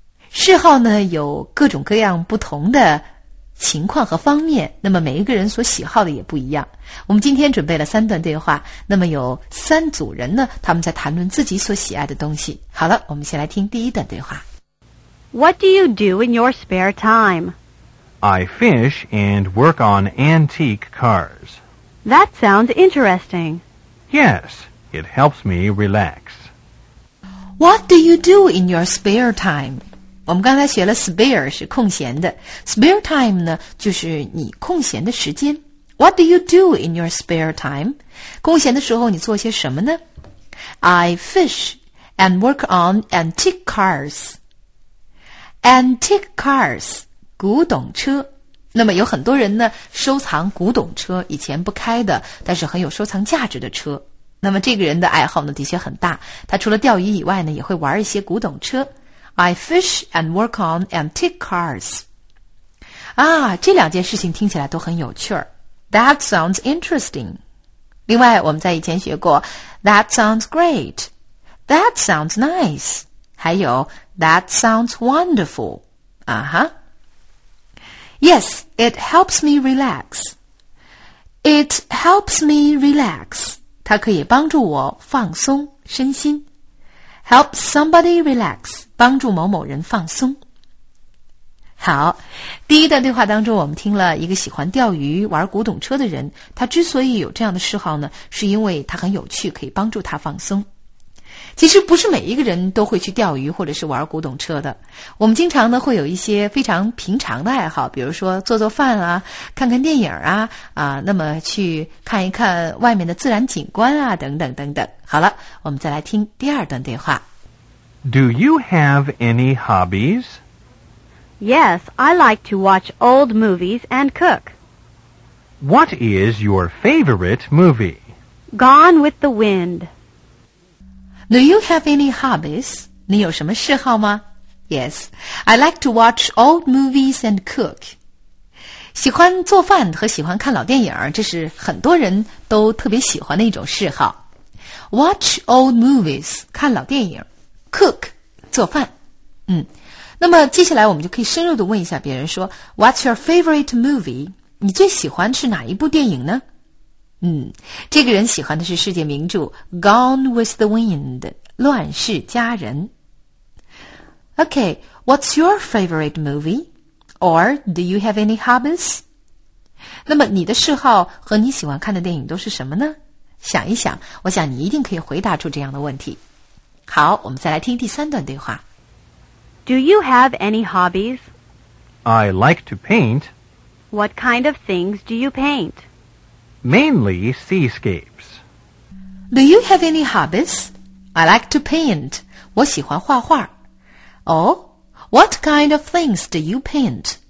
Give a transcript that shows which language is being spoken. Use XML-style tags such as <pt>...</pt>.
<zh>嗜好呢有各种各样不同的情况和方面，那么每一个人所喜好的也不一样。我们今天准备了三段对话，那么有三组人呢，他们在谈论自己所喜爱的东西。好了，我们先来听第一段对话。</zh> <en>What do you do in your spare time? I fish and work on antique cars. That sounds interesting. Yes, it helps me relax. What do you do in your spare time?</en> <zh>我们刚才学了 spare 是空闲的。</zh> <en>Spare time</en> <zh>呢，就是你空闲的时间。</zh> <en>What do you do in your spare time?</en> <zh>空闲的时候你做些什么呢？</zh> <en>I fish and work on antique cars. Antique cars.</en> <zh>古董车，那么有很多人呢收藏古董车，以前不开的但是很有收藏价值的车。那么这个人的爱好呢的确很大，他除了钓鱼以外呢也会玩一些古董车。</zh> <en>I fish and work on antique cars.</en> <zh>啊，这两件事情听起来都很有趣。</zh> <en>That sounds interesting.</en> <zh>另外我们在以前学过</zh> <en>That sounds great. That sounds nice.</en> <zh>还有</zh> <en>That sounds wonderful.</en> <zh>啊哈。</zh> <en>Yes, it helps me relax. It helps me relax.</en> <zh>它可以帮助我放松身心。</zh> <en>Help somebody relax.</en> <zh>帮助某某人放松。好，第一段对话当中我们听了一个喜欢钓鱼玩古董车的人，他之所以有这样的嗜好呢，是因为他很有趣，可以帮助他放松。其实不是每一个人都会去钓鱼或者是玩古董车的，我们经常呢会有一些非常平常的爱好，比如说做做饭啊，看看电影啊，那么去看一看外面的自然景观啊，等等等等。好了，我们再来听第二段对话。</zh> <en>Do you have any hobbies? Yes, I like to watch old movies and cook. What is your favorite movie? Gone with the Wind. Do you have any hobbies?</en> <zh>你有什么嗜好吗？</zh> <en>Yes, I like to watch old movies and cook.</en> <zh>喜欢做饭和喜欢看老电影，这是很多人都特别喜欢的一种嗜好。</zh> <en>Watch old movies,</en> <zh>看老电影。 Cook, 做饭。嗯，那么接下来我们就可以深入地问一下别人说</zh> <en>What's your favorite movie?</en> <zh>你最喜欢是哪一部电影呢？嗯，这个人喜欢的是世界名著 Gone with the Wind, 乱世佳人。</zh> <en>Okay, what's your favorite movie? Or do you have any hobbies?</en> <zh>那么你的嗜好和你喜欢看的电影都是什么呢？想一想，我想你一定可以回答出这样的问题。好，我们再来听第三段对话。</zh> <en>Do you have any hobbies? I like to paint. What kind of things do you paint? Mainly seascapes. Do you have any hobbies? I like to paint.</en> <zh>我喜欢画画。</zh> <en>Oh, what kind of things do you paint?</en>